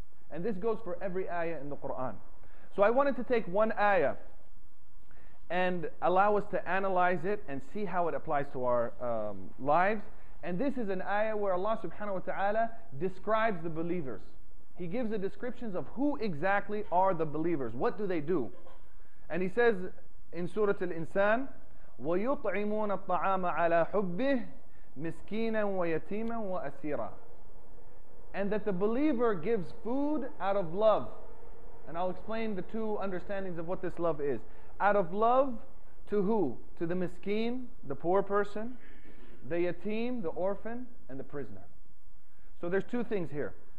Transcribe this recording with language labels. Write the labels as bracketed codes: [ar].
[en] And this goes for every ayah in the Quran. So I wanted to take one ayah and allow us to analyze it and see how it applies to our lives. And this is an ayah where Allah subhanahu wa ta'ala describes the believers. He gives the descriptions of who exactly are the believers. What do they do? And he says in Surah Al-Insan, [ar] وَيُطْعِمُونَ الطَّعَامَ عَلَىٰ حُبِّهِ مِسْكِينًا وَيَتِيمًا وَأَسِيرًا. [en] And that the believer gives food out of love. And I'll explain the two understandings of what this love is. Out of love to who? To the miskeen, the poor person, the yatim, the orphan, and the prisoner. So there's two things here.